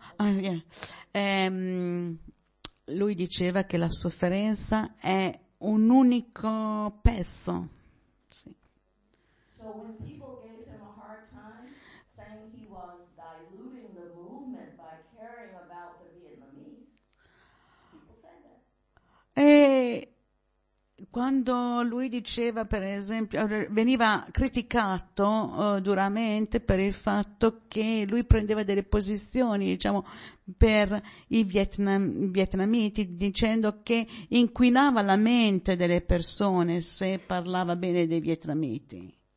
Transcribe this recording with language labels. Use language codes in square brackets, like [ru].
[it] Lui diceva che la sofferenza è un unico pezzo. Sì. [en] So when people gave him a hard time, saying he was diluting the movement by caring about the Vietnamese, people said that. [it] E quando lui diceva, per esempio, veniva criticato duramente per il fatto che lui prendeva delle posizioni, diciamo, per i vietnamiti, dicendo che inquinava la mente delle persone se parlava bene dei vietnamiti.